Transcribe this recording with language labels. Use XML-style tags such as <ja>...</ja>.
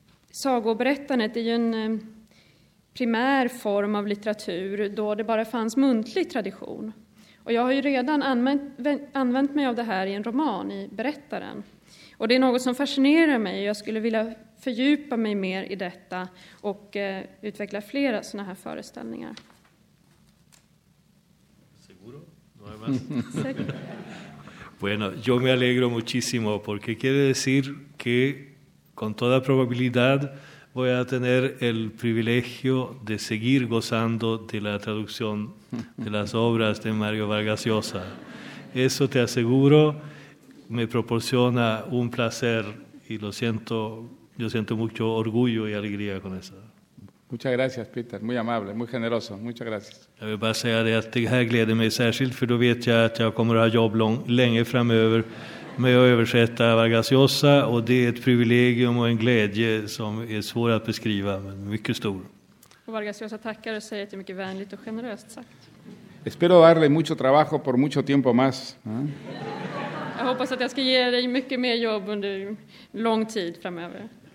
<sv>Sagoberättandet är ju en primär form av litteratur då det bara fanns muntlig tradition. Och jag har ju redan använt mig av det här i en roman, i Berättaren. Och det är något som fascinerar mig och jag skulle vilja fördjupa mig mer i detta och utveckla flera såna här föreställningar.</sv> <es>Bueno, yo me alegro muchísimo porque quiere decir que con toda probabilidad voy a tener el privilegio de seguir gozando de la traducción de las obras de Mario Vargas Llosa. Eso te aseguro, me proporciona un placer y lo siento, yo siento mucho orgullo y alegría con eso. Muchas gracias, Peter. Muy amable, muy generoso. Muchas gracias.</es> <sv>Jag vill bara säga det att det här gläder mig särskilt, för då vet jag att jag kommer att ha jobb länge framöver med att översätta Vargas Llosa, och det är ett privilegium och en glädje som är svår att beskriva, men mycket stor. Och Vargas Llosa tackar och säger att det är mycket vänligt och generöst sagt.</sv> <es>Espero darle mucho trabajo por mucho tiempo más.</es> <sv>Jag hoppas att jag ska ge dig mycket mer jobb under lång tid framöver.</sv>